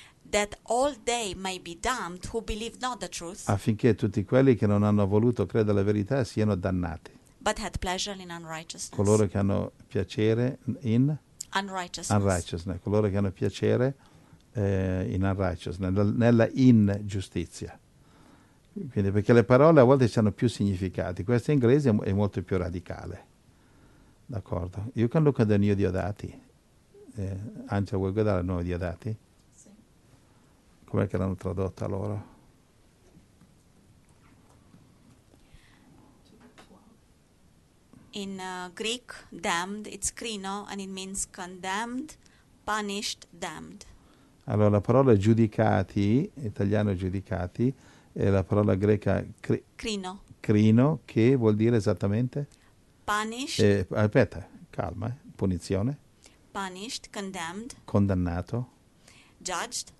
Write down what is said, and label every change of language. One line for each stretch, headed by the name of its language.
English: That all they may be damned who believe not the truth.
Italian: Affinché tutti quelli che non hanno voluto credere alla verità siano dannati.
English: But had pleasure in unrighteousness.
Italian: Coloro che hanno piacere in
English: unrighteousness.
Italian: Coloro che hanno piacere in unrighteousness, nella ingiustizia. Quindi, perché le parole a volte hanno più significati. Questo in inglese è molto più radicale. D'accordo.
English: You can look at the new Diodati.
Italian: Angela, vuoi guardare il nuovo Diodati? Com'è che l'hanno tradotta loro?
English: In Greek, damned, it's krino, and it means condemned, punished, damned.
Italian: Allora, la parola giudicati, italiano giudicati, è la parola greca
Greek: krino.
Italian: Krino, che vuol dire esattamente?
English: Punished.
Italian: Aspetta, calma, punizione.
English: Punished, condemned.
Italian: Condannato.
English: Judged.